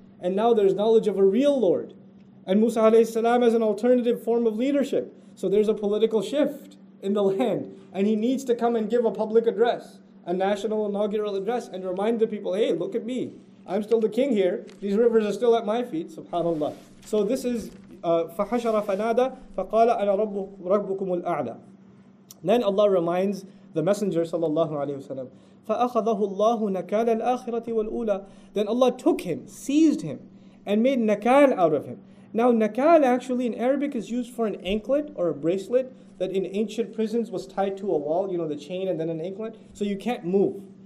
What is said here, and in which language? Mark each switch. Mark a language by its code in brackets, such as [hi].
[en] And now there's knowledge of a real Lord. And Musa alayhi salam as an alternative form of leadership. So there's a political shift in the land. And he needs to come and give a public address, a national inaugural address, and remind the people, hey, look at me. I'm still the king here. These rivers are still at my feet. SubhanAllah. So this is [ar] فَحَشَرَ فَنَادَ فَقَالَ أَنَا رَبُّكُمُ الْأَعْلَى. [en] Then Allah reminds the Messenger sallallahu alayhi wa sallam, [ar] فَأَخَذَهُ اللَّهُ نَكَالَ الْآخِرَةِ وَالْأُولَى. [en] Then Allah took him, seized him, and made nakal out of him. Now nakal actually in Arabic is used for an anklet or a bracelet that in ancient prisons was tied to a wall, you know, the chain and then an anklet, so you can't move.